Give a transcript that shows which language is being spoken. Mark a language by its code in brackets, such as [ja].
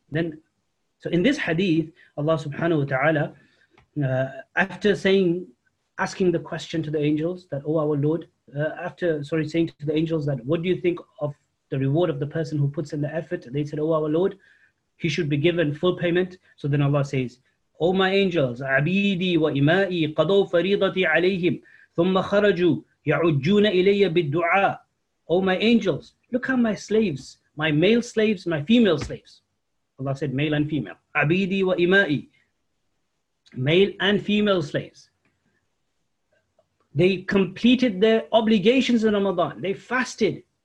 [en] Then, so in this hadith, Allah subhanahu wa ta'ala, asking the question to the angels that, oh our Lord, saying to the angels that, what do you think of the reward of the person who puts in the effort? They said, oh our Lord, he should be given full payment. So then Allah says, O my angels, [ar] عبيدي وإمائي قضوا فريضتي عليهم ثم خرجوا يعجون إلي بالدعاء. [en] O my angels, look at my slaves, my male slaves, my female slaves. Allah said male and female. [ar] عبيدي وإمائي, [en] male and female slaves. They completed their obligations in Ramadan. They fasted.